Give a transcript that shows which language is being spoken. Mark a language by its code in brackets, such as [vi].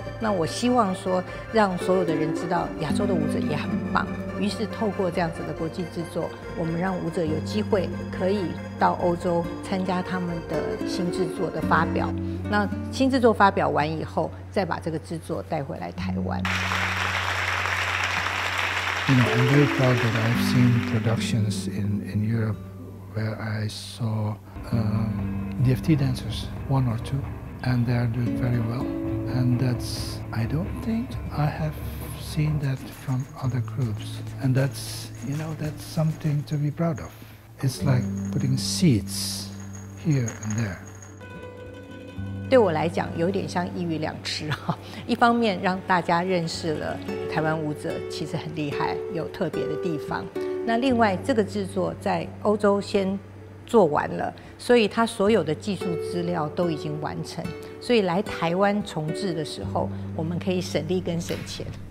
[zh] 那我希望说，让所有的人知道亚洲的舞者也很棒。于是透过这样子的国际制作，我们让舞者有机会可以到欧洲参加他们的新制作的发表。那新制作发表完以后，再把这个制作带回来台湾。 [en] You know, I'm very proud that I've seen productions in Europe where I saw DFT dancers, one or two, and they are doing very well. And that's, I don't think I have seen that from other groups. And that's, you know, that's something to be proud of. It's like putting seeds here and there. [zh] 对我来讲有点像一鱼两吃，一方面让大家认识了台湾舞者其实很厉害，有特别的地方，那另外这个制作在欧洲先做完了，所以他所有的技术资料都已经完成，所以来台湾重制的时候我们可以省力跟省钱。